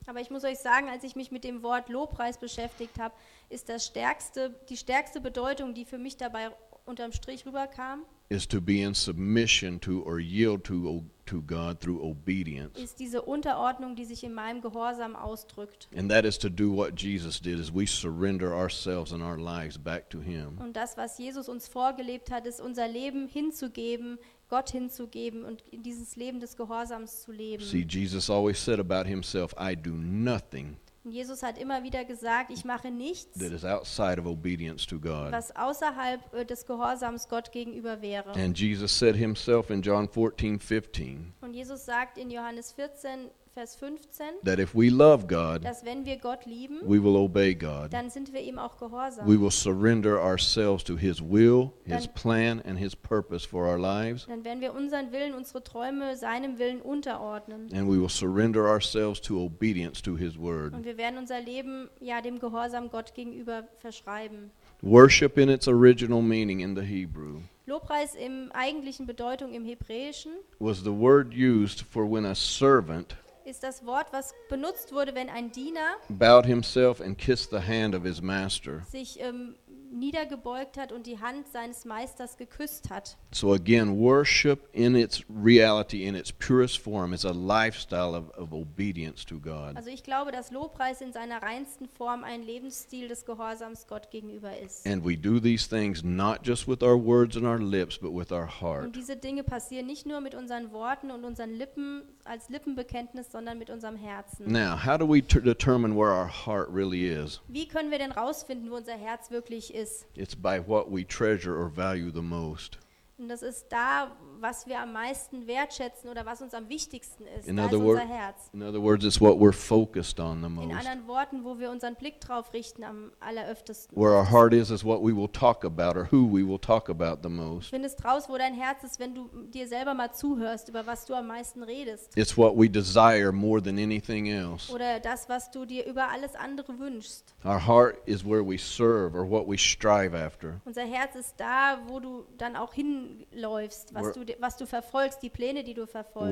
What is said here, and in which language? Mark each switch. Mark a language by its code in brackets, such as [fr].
[de] Aber ich muss euch sagen, als ich mich mit dem Wort Lobpreis beschäftigt habe, ist das stärkste, die stärkste Bedeutung, die für mich dabei unterm Strich rüberkam, [en] is to be in submission to or yield to God through obedience. [de] Ist diese Unterordnung, die sich in meinem Gehorsam ausdrückt. [en] And that is to do what Jesus did, is we surrender ourselves and our lives back to him. [de] Und das, was Jesus uns vorgelebt hat, ist unser Leben hinzugeben, Gott hinzugeben und in dieses Leben des Gehorsams zu leben. [en] See, Jesus always said about himself, I do nothing. [de] Jesus hat immer wieder gesagt, ich mache nichts, [en] that is outside of obedience to God. [de] Was außerhalb des Gehorsams Gott gegenüber wäre. [en] And Jesus said himself in John 14, 15, [de] und Jesus sagt in Johannes 14, Vers 15, [en] that if we love God, [de] dass wenn wir Gott lieben, [en] we will obey God. [de] Dann sind wir ihm auch gehorsam. [en] We will surrender ourselves to his will, his plan and his purpose for our lives. [de] Dann werden wir unseren Willen, unsere Träume seinem Willen unterordnen. [en] And we will surrender ourselves to obedience to his word. [de] Und wir werden unser Leben ja dem Gehorsam Gott gegenüber verschreiben. [en] Worship in its original meaning in the Hebrew. [de] Lobpreis im eigentlichen Bedeutung im Hebräischen [en] was the word used for when a servant [de] ist das Wort, was benutzt wurde, wenn ein Diener [en] bowed himself and kissed the hand of his master. [de] Sich niedergebeugt hat und die Hand seines Meisters geküsst hat. [en] So again, worship in its reality, in its purest form, is a lifestyle of obedience to God. [de] Also ich glaube, dass Lobpreis in seiner reinsten Form ein Lebensstil des Gehorsams Gott gegenüber ist. [en] And we do these things not just with our words and our lips, but with our heart. [de] Und diese Dinge passieren nicht nur mit unseren Worten und unseren Lippen als Lippenbekenntnis, sondern mit unserem Herzen. [en] Now, how do we determine where our heart really is? [de] Wie können wir denn rausfinden, wo unser Herz wirklich ist? [en] It's by what we treasure or value the most. [de] Und das ist da, was wir am meisten wertschätzen oder was uns am wichtigsten ist, da ist unser Herz. [en] In other words, it's what we're focused on the most. [de] In anderen Worten, wo wir unseren Blick drauf richten am alleröftesten. [en] Where our heart is what we will talk about or who we will talk about the most. [de] Findest raus, wo dein Herz ist, wenn du dir selber mal zuhörst, über was du am meisten redest. [en] It's what we desire more than anything else. [de] Oder das, was du dir über alles andere wünschst. [en] Our heart is where we serve or what we strive after. [de] Unser Herz ist da, wo du dann auch hin läufst, was du verfolgst, die Pläne, die du verfolgst.